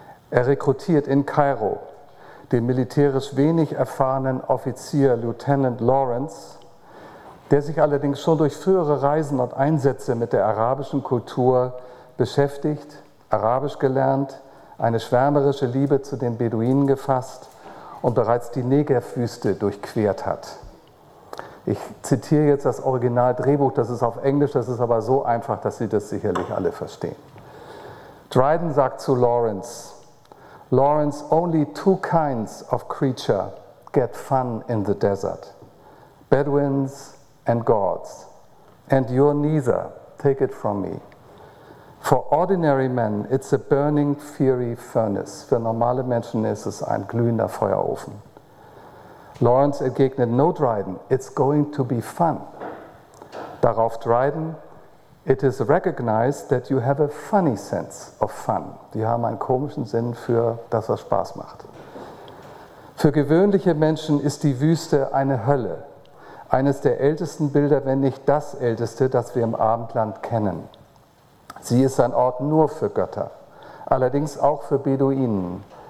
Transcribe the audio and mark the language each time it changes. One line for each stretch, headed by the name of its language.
German: Er rekrutiert in Kairo den militärisch wenig erfahrenen Offizier Lieutenant Lawrence, der sich allerdings schon durch frühere Reisen und Einsätze mit der arabischen Kultur beschäftigt, Arabisch gelernt, eine schwärmerische Liebe zu den Beduinen gefasst und bereits die Negev-Wüste durchquert hat. Ich zitiere jetzt das Originaldrehbuch, das ist auf Englisch, das ist aber so einfach, dass Sie das sicherlich alle verstehen. Dryden sagt zu Lawrence,
English: Lawrence, only two kinds of creature get fun in the desert, Bedouins and gods, and you're neither, take it from me. For ordinary men, it's a burning fiery furnace.
German: Für normale Menschen ist es ein glühender Feuerofen. Lawrence entgegnet,
English: no Dryden, it's going to be fun.
German: Darauf
English: Dryden, it is recognized that you have a funny sense of fun.
German: Die haben einen komischen Sinn für das, was Spaß macht. Für gewöhnliche Menschen ist die Wüste eine Hölle. Eines der ältesten Bilder, wenn nicht das älteste, das wir im Abendland kennen. Sie ist ein Ort nur für Götter, allerdings auch für Beduinen.